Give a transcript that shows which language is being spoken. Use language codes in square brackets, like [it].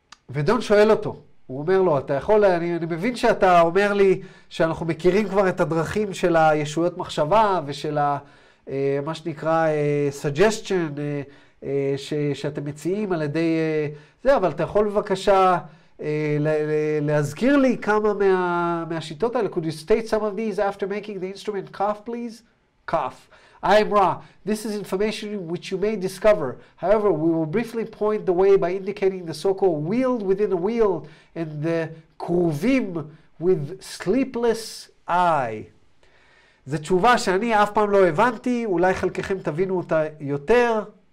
[he] ודון שואל אותו, הוא אומר לו, אתה יכול, אני מבין שאתה אומר לי שאנחנו מכירים כבר את הדרכים של הישויות מחשבה ושל מה שנקרא suggestion שאתם מציעים על ידי זה, אבל אתה יכול בבקשה להזכיר לי כמה מהשיטות האלה. [en] Could you state some of these after making the instrument cough, please? Cough. I am Ra. This is information which you may discover. However, we will briefly point the way by indicating the so-called wheel within a wheel and the kruvim with sleepless eye. [he] זו תשובה שאני אף פעם לא הבנתי, אולי חלקכם תבינו אותה יותר.